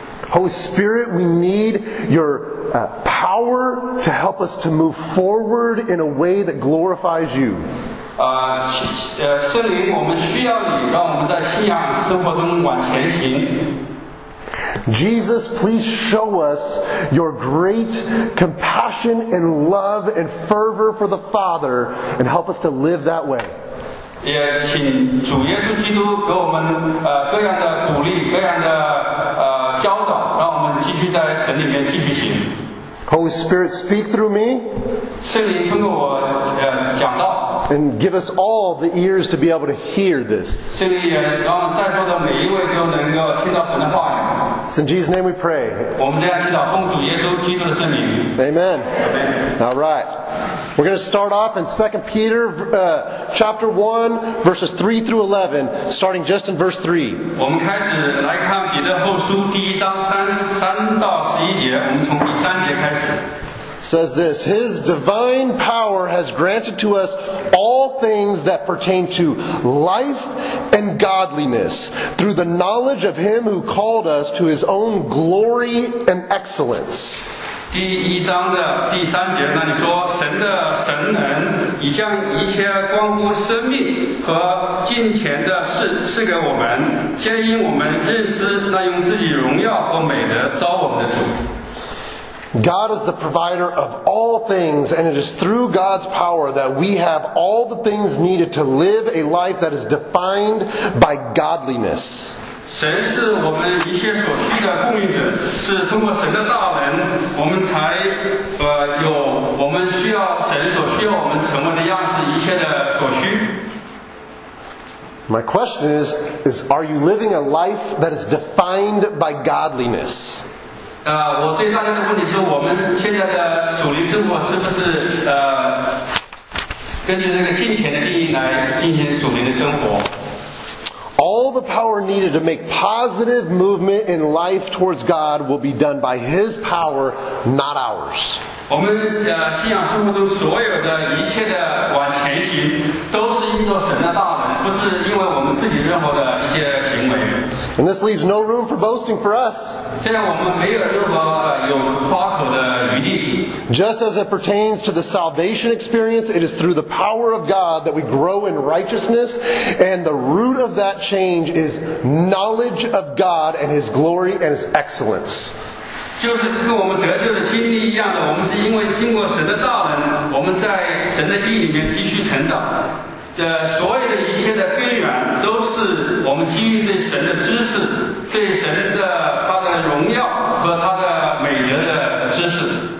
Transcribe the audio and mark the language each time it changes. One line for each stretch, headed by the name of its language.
English: Holy Spirit, we need your power to help us to move forward in a way that glorifies you.
Chinese: 圣灵，我们需要你，让我们在信仰生活中往前行。
English: Jesus, please show us your great compassion and love and fervor for the Father and help us to live that way.
Chinese: 也请主耶稣基督给我们各样的鼓励，各样的教导，让我们继续在神里面继续行。
English: Holy Spirit, speak through me.
Chinese: 圣灵通过我讲道。
English: And give us all the ears to be able to hear this.
Chinese: 圣灵也让在座的每一位都能够听到神的话语。
English: It's in Jesus' name we pray.
Chinese: 我们这样祈祷，奉主耶稣基督的圣名。
English: Amen. All right. We're going to start off in 2 Peter chapter 1, verses 3 through 11, starting just in verse 3.
Chinese: 我们开始来看彼得后书第一章三到十一节，我们从第三节开始。
English: Says this, His divine power has granted to us all things that pertain to life and godliness through the knowledge of Him who called us to His own glory and excellence.
Chinese: 第一章的第三节，那你说神的神能已将一切关乎生命和金钱的事赐给我们，兼因我们认识那用自己荣耀和美德招我们的主。
English: God is the provider of all things, and it is through God's power that we have all the things needed to live a life that is defined by godliness.
Chinese: 神是我们一切所需的供应者，是通过神的大能，我们才有我们需要神所需要我们成为的样式，一切的所需。
English: My question is are you living a life that is defined by godliness?
Chinese: 我对大家的问题是，我们现在的属灵生活是不是根据这个金钱的定义来进行属灵的生活？
English: All the power needed to make positive movement in life towards God will be done by His power, not ours.
Chinese: 我们信仰生活中所有的一切的往前行，都是依照神的大能，不是因为我们自己任何的一些行为。
English: And this leaves no room for boasting for us.
Chinese: 现在我们没有任何有夸口的余地。
English: Just as it pertains to the salvation experience, it is through the power of God that we grow in righteousness, and the root of that change is knowledge of God and His glory and His excellence.
Chinese: 就是跟我们得救的经历一样的，我们是因为经过神的道恩，我们在神的义里面继续成长。所有的一切的根源都是我们基于对神的知识，对神的他的荣耀和他的美德的知识。